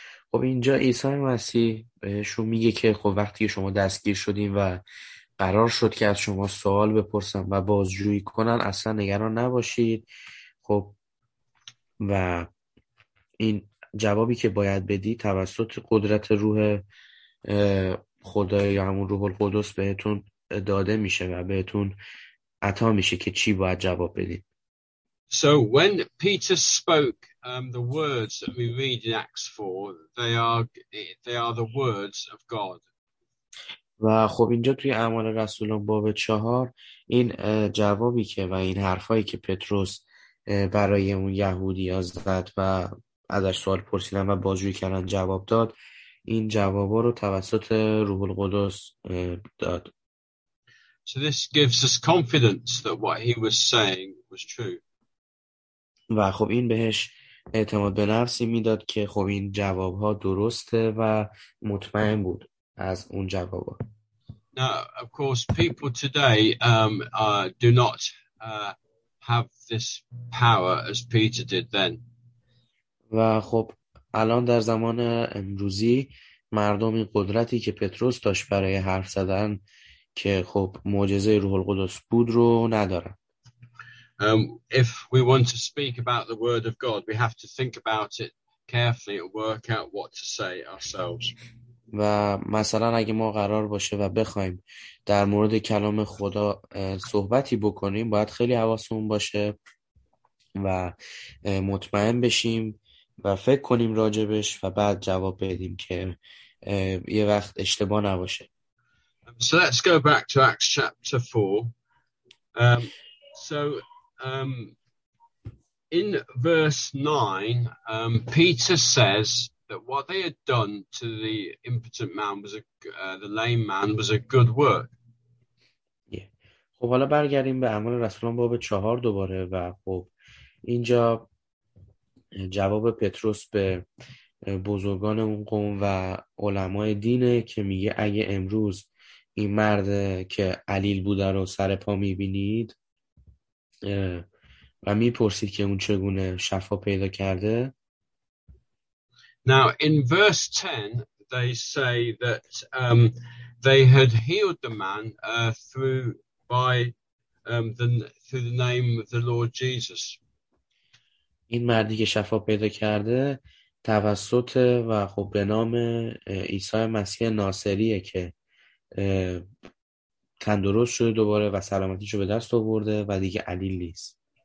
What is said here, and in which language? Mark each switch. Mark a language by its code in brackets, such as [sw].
[fa] خب اینجا عیسی مسیح بهشون میگه که خب وقتی شما دستگیر شدین و قرار شد که از شما سوال بپرسن و بازجویی کنن اصلا نگران نباشید. خب و این جوابی که باید بدی توسط قدرت روح خدای یا همون روح القدس بهتون داده میشه و بهتون عطا میشه که چی باید جواب بدید. [en] So when Peter spoke the words that we read in Acts 4, they are the words of God. [fa] و خب اینجا توی اعمال رسولان باب 4 این جوابی که و این حرفایی که پتروس برای اون یهودی ها زد و ازش سوال پرسیدن و بازجویی کردن جواب داد، این جوابا رو توسط روح القدس داد. [en] So this gives us confidence that what he was saying was true. [fa] و خب این بهش اعتماد به نفسی میداد که خب این جواب ها درسته و مطمئن بود از اون جواب ها. [en] Now of course people today do not have this power as Peter did then. [fa] و خب الان در زمان امروزی مردم این قدرتی که پتروس داشت برای حرف زدن که خب معجزه روح القدس بود رو ندارن. [en] If we want to speak about the word of God, we have to think about it carefully and work out what to say ourselves. [fa] و مثلا اگه ما قرار باشه و بخوایم در مورد کلام خدا صحبتی بکنیم، باید خیلی حواسمون باشه و مطمئن بشیم و فکر کنیم راجبش و بعد جواب بدیم که یه وقت اشتباه نباشه. [en] So let's go back to Acts chapter 4. So in verse 9, Peter says that what they had done to the impotent man was the lame man was a good work. Yeah. [fa] خب حالا برگردیم به اعمال رسولان باب 4 دوباره و خب اینجا جواب پتروس به بزرگان اون قوم و علمای دینه که میگه اگه امروز این مرد که علیل بوده رو سر پا میبینید و میپرسید که اون چگونه شفا پیدا کرده. [en] Now in verse 10 they say that they had healed the man through the name of the Lord Jesus. [fa] این مردی که شفا پیدا کرده توسط و خب به نام عیسی مسیح ناصریه که تندرست شده دوباره و سلامتیشو به دست آورده و دیگه علیل نیست.